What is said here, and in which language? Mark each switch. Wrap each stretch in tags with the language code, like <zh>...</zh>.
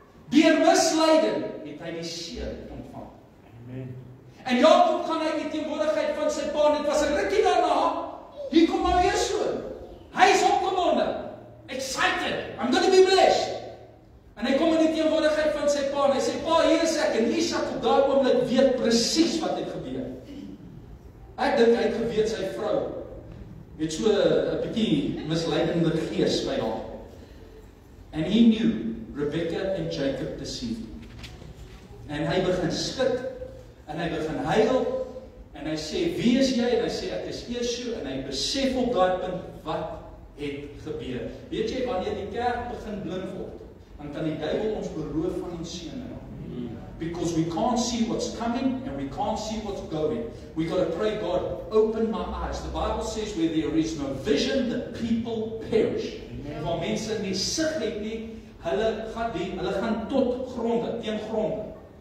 <af>Deur misleiding het hy die seën ontvang. Amen. En Jakob gaan uit die teenwoordigheid van sy pa, dit was 'n rukkie daarna, hier kom nou Esau. Hy is opgewonde.</af> <en>Excited, I'm going to be blessed.</en> <af>En hy kom in die teenwoordigheid van sy pa en hy sê, "Pa, hier is ek." En Isak op daai oomblik weet presies wat het gebeur. Ek dink hy het geweet sy vrou het so 'n bietjie misleidende gees by haar.</af> <en>And he knew Rebekka and Jacob deceived him.</en> <af>En hy begin skud en hy begin huil en hy sê, "Wie is jy?" En hy sê, "Ek is Esau." En hy besef op daai punt wat het gebeur. Weet jy, wanneer die kerk begin blind word, dan kan die duiwel ons beroof van die seën.</af> <en>because we can't see what's coming and we can't see what's going. We got to pray, God, open my eyes. The Bible says where there is no vision, the people perish.</en> <af>Waar mense nie sig het nie, hulle gaan die, hulle gaan tot gronde, teen gronde.</af>